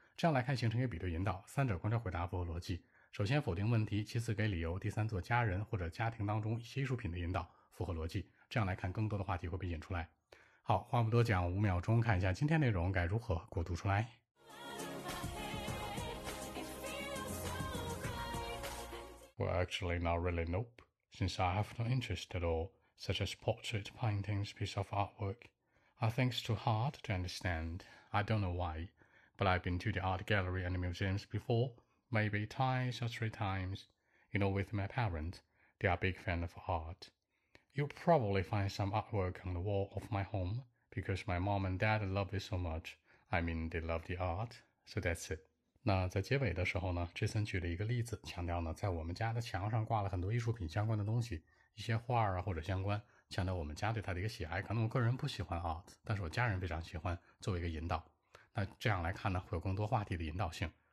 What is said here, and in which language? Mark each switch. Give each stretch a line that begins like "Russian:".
Chinese: 这样来看，形成一个比对引导，三者贯穿回答符合逻辑。首先否定问题，其次给理由，第三做家人或者家庭当中一些艺术品的引导，符合逻辑。这样来看，更多的话题会被引出来。好，话不多讲，五秒钟看一下今天内容该如何过渡出来。
English: Well, actually, not really, nope, since I have no interest at all, such as portrait, paintings, piece of artwork. I think it's too hard to understand. I don't know why, but I've been to the art gallery and museums before, maybe twice or three times, you know, with my parents. They are a big fan of art. You'll probably find some artwork on the wall of my home, because my mom and dad love it so much. I mean, they love the art, so that's it.
Chinese: 那在结尾的时候呢，这森举了一个例子，强调呢，在我们家的墙上挂了很多艺术品相关的东西，一些画啊或者相关，强调我们家对他的一个喜爱。可能我个人不喜欢 art， 但是我家人非常喜欢，作为一个引导。那这样来看呢，会有更多话题的引导性。